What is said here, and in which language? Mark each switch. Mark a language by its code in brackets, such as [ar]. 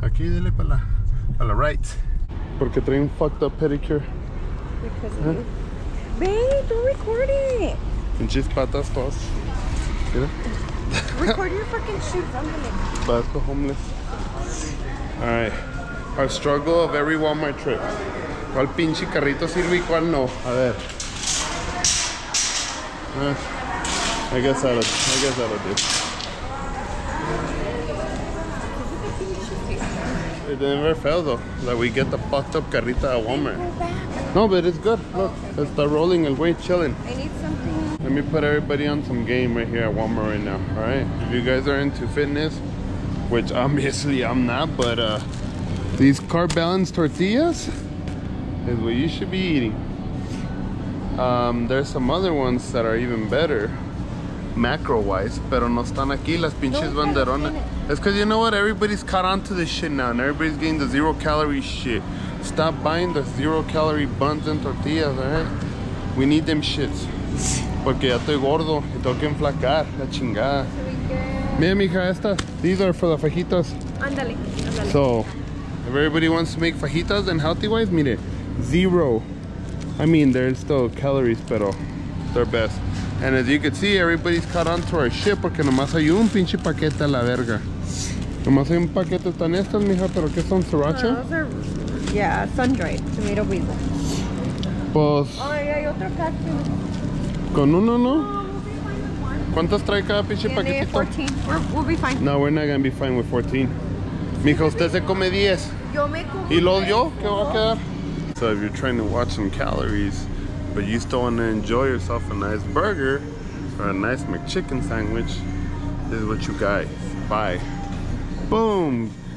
[es] Aquí, dele para la, pa la right. Porque trae un [en] fucked up pedicure. Because of you. Babe, don't record it. [es] Pinches patas todas. Mira. [en] Record your fucking shoes. I'm gonna. But the homeless. All right. Our struggle of every Walmart trip. [es] ¿Cuál pinche carrito sirve y cuál no? A ver. [en] I guess that'll do. Is it the thing you? It never failed though, that we get the fucked up carrita at Walmart. No, but it's good. Look, it's the rolling and we're chilling. I need something. Let me put everybody on some game right here at Walmart right now. All right. If you guys are into fitness, which obviously I'm not, but these carb balanced tortillas is what you should be eating. There's some other ones that are even better macro wise, [es] pero no están aquí las pinches banderones. [en] It's because you know what? Everybody's caught on to this shit now and everybody's getting the zero calorie shit. Stop buying the zero calorie buns and tortillas, alright? We need them shits. [es] Porque ya estoy gordo y tengo que enflacar, la chingada. Mira, mija, estas. [en] These are for the fajitas. [es] Andale, andale. [en] So, if everybody wants to make fajitas and healthy wise, [es] mire, [en] zero. I mean, there's still calories, [es] pero [en] they're best. And as you can see, everybody's caught on to our shit [es] porque nomás hay un pinche paquete a la verga. Nomás hay un paquete, están estas, mija, pero ¿qué son? ¿Sriracha? [en] No, those are, yeah, sun-dried, tomato pizza. [es] Pues... Ay, hay otro cacho. ¿Con uno, no? [en] No, we'll be fine with one. [es] ¿Cuántas trae cada pinche paquetito? [en] 14. We'll be fine. No, we're not gonna be fine with 14. [es] Mija, usted se come 10. Yo me como 10. ¿Y lo dio? ¿Qué va a quedar? [en] So if you're trying to watch some calories, but you still want to enjoy yourself a nice burger or a nice McChicken sandwich, this is what you got. Bye. Boom.